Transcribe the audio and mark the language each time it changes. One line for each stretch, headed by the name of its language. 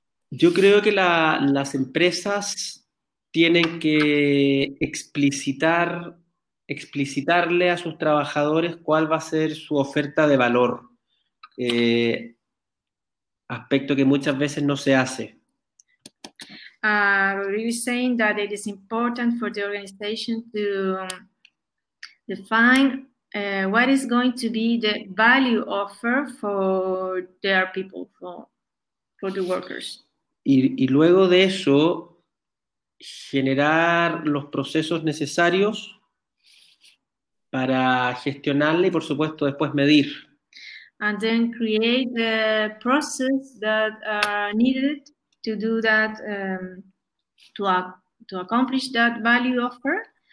Spanish: Yo creo que las empresas tienen que explicitarle a sus trabajadores cuál va a ser su oferta de valor, aspecto que muchas veces no se hace.
English: Are you saying that it is important for the organization to define what is going to be the value offer for their people, for the workers.
Spanish: Y luego de eso, generar los procesos necesarios para gestionarle y, por supuesto, después medir.
English: And then create the process that are needed to do that, to accomplish that value offer.